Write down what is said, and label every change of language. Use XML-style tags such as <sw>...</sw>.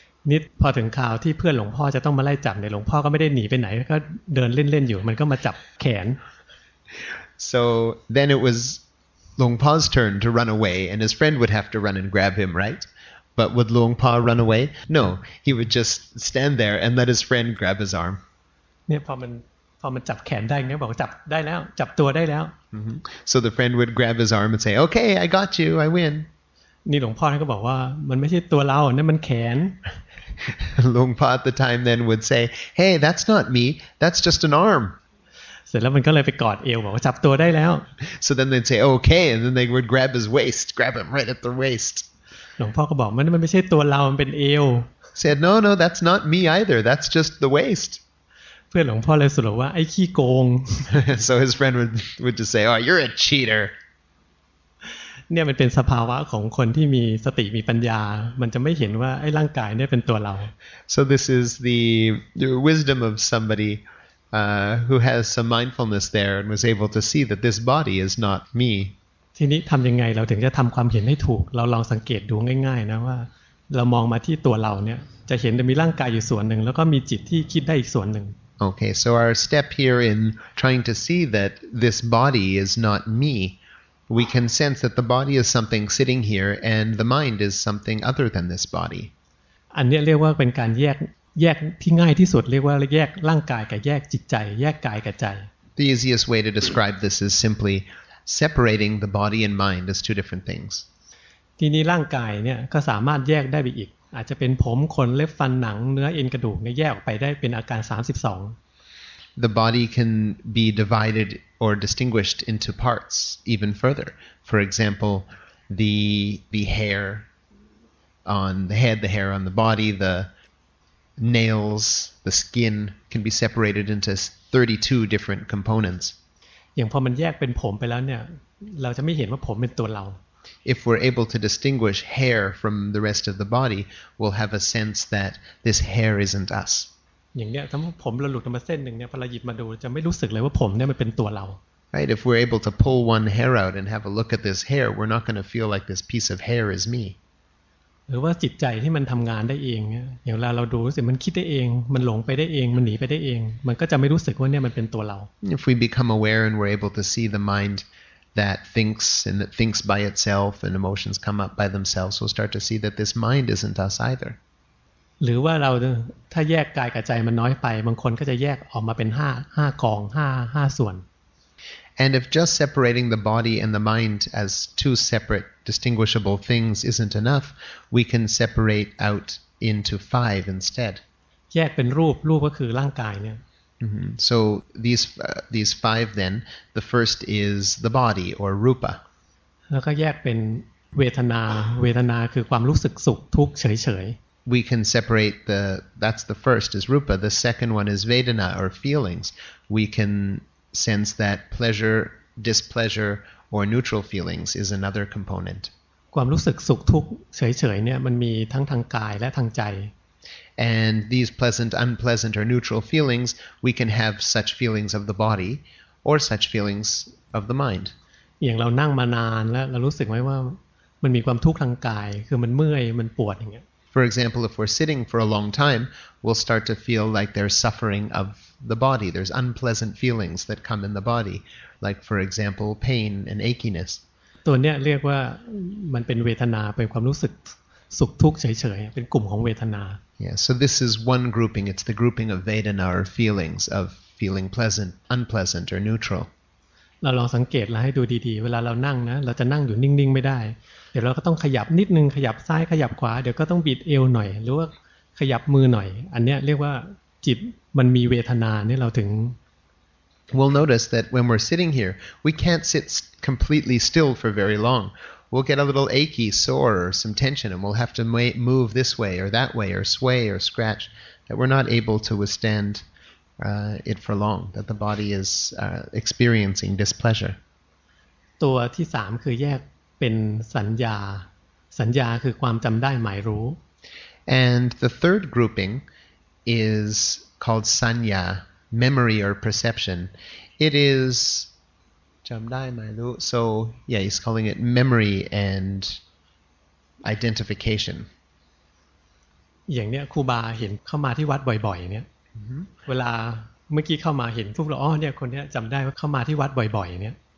<th>นิดพอถึงคราวที่เพื่อนหลวงพ่อจะต้องมาไล่จับเนี่ยหลวงพ่อก็ไม่ได้หนีไปไหนก็เดินเล่นๆอยู่มันก็มาจับแขน</th> <en>So then it was Longpa's turn to run away and his friend would have to run and grab him right but would Longpa run away No he would just stand there and let his friend grab his arm</en> <th>เนี่ยพอมันจับแขนได้เนี่ยบอกจับได้แล้วจับตัวได้แล้ว</th> <en>So the friend would grab his arm and say okay I got you I win</en> <th>นี่หลวงพ่อท่านก็บอกว่ามันไม่ใช่ตัวเราเนี่ยมันแขน</th> <en>หลวงพ่อ at the time then would say hey that's not me that's just an arm</en> <th>เสร็จแล้วมันก็เลยไปกอดเอวบอกว่าจับตัวได้แล้ว</th> <en>so then they'd say okay and then they would grab his waist grab him right at the waist</en> <th>หลวงพ่อก็บอกมันไม่ใช่ตัวเรามันเป็นเอว</th> <en>said no no that's not me either that's just the waist</en> <th>เพื่อนหลวงพ่อเลยสรุปว่าไอ้ขี้โกง</th> <en>so his friend would just say oh you're a cheater</en> <th>เนี่ยมันเป็นสภาวะของคนที่มีสติมีปัญญามันจะไม่เห็นว่าไอ้ร่างกายเนี่ยเป็นตัวเรา</th> <en>So this is the wisdom of somebody who has some mindfulness there and was able to see that this body is not me</en> <th>ทีนี้ทำยังไงเราถึงจะทำความเห็นให้ถูกเราลองสังเกตดูง่ายๆนะว่าเรามองมาที่ตัวเราเนี่ยจะเห็นมีร่างกายอยู่ส่วนหนึ่งแล้วก็มีจิตที่คิดได้อีกส่วนหนึ่ง</th> <en>Okay so our step here in trying to see that this body is not meWe can sense that the body is something sitting here, and the mind is something other than this body.</en> <th>อันนี้เรียกว่าเป็นการแยกที่ง่ายที่สุดเรียกว่าแยกร่างกายกับแยกจิตใจแยกกายกับใจ</th> <en>The easiest way to describe this is simply separating the body and mind as two different things.</en> <th>ทีนี้ร่างกายเนี่ยก็สามารถแยกได้ไปอีกอาจจะเป็นผมขนเล็บฟันหนังเนื้อเอ็นกระดูกเนี่ยแยกออกไปได้เป็นอาการ32</th> <en>The body can be divided. Or distinguished into parts even further. For example, the hair on the head, the hair on the body, the nails, the skin can be separated into 32 different components.</en> <th>อย่างพอมันแยกเป็นผมไปแล้วเนี่ยเราจะไม่เห็นว่าผมเป็นตัวเรา</th> <en>If we're able to distinguish hair from the rest of the body, we'll have a sense that this hair isn't us.</en> <th>อย่างเนี้ยถ้าผมเราหลุดออกมาเส้นนึงเนี่ยพอเราหยิบมาดูจะไม่รู้สึกเลยว่าผมเนี่ยมันเป็นตัวเรา</th> <en>Right if we're able to pull one hair out and have a look at this hair we're not going to feel like this piece of hair is me</en> <th>หรือว่าจิตใจที่มันทำงานได้เองเนี่ยเวลาเราดูสิมันคิดได้เองมันหลงไปได้เองมันหนีไปได้เองมันก็จะไม่รู้สึกว่าเนี่ยมันเป็นตัวเรา</th> <en>If we become aware and we're able to see the mind that thinks and that thinks by itself and emotions come up by themselves we'll start to see that this mind isn't us either</en> <th>หรือว่าเราถ้าแยกกายกับใจมันน้อยไปบางคนก็จะแยกออกมาเป็น5กอง5ส่วน</th> <en>And if just separating the body and the mind as two separate distinguishable things isn't enough we can separate out into 5 instead</en> <th>แยกเป็นรูปก็คือร่างกายเนี่ย</th> <en>So these 5 then the first is the body or rupa</en> <th>แล้วก็แยกเป็นเวทนาคือความรู้สึกสุขทุกข์เฉยๆ</th> <en>We can separate that's the first is rupa. The second one is vedana or feelings. We can sense that pleasure, displeasure, or neutral feelings is another component.</en> <th>ความรู้สึกสุขทุกข์เฉยๆเนี่ยมันมีทั้งทางกายและทางใจ</th> <en>And these pleasant, unpleasant, or neutral feelings, we can have such feelings of the body or such feelings of the mind.</en> <th>อย่างเรานั่งมานานแล้วเรารู้สึกไหมว่ามันมีความทุกข์ทางกายคือมันเมื่อยมันปวดอย่างเงี้ย</th> <en>For example, if we're sitting for a long time, we'll start to feel like there's suffering of the body. There's unpleasant feelings that come in the body, like for example, pain and achiness.</en> <th>ตัวเนี้ยเรียกว่ามันเป็นเวทนาเป็นความรู้สึกสุขทุกข์เฉยๆเป็นกลุ่มของเวทนา</th> <en>Yeah, so this is one grouping. It's the grouping of vedana or feelings of feeling pleasant, unpleasant, or neutral.</en> <th>เราลองสังเกตแล้วให้ดูดีๆเวลาเรานั่งนะเราจะนั่งอยู่นิ่งๆไม่ได้เดี๋ยวเราก็ต้องขยับนิดนึงขยับซ้ายขยับขวาเดี๋ยวก็ต้องบิดเอวหน่อยหรือว่าขยับมือหน่อยอันนี้เรียกว่าจิตมันมีเวทนาเนี่ยเราถึง</th> <en>We'll notice that when we're sitting here we can't sit completely still for very long we'll get a little achy sore or some tension and we'll have to move this way or that way or sway or scratch that we're not able to withstand it for long that the body is experiencing displeasure</en> <th>ตัวที่3คือแยกเป็นสัญญาคือความจําได้หมายรู้</th> <en>and the third grouping is called sanya memory or perception it is</en> <th>จําได้หมายรู้</th> <en>so yeah he's calling it memory and identification</en> <th>อย่างเนี้ยครูบาเห็นเข้ามาที่วัดบ่อยๆเนี้ยเวลาเมื่อกี้เข้ามาเห็นปุ๊บเราอ๋อเนี่ยคนเนี้ยจำได้ว่าเข้ามาที่วัดบ่อยๆเนี้ย</th>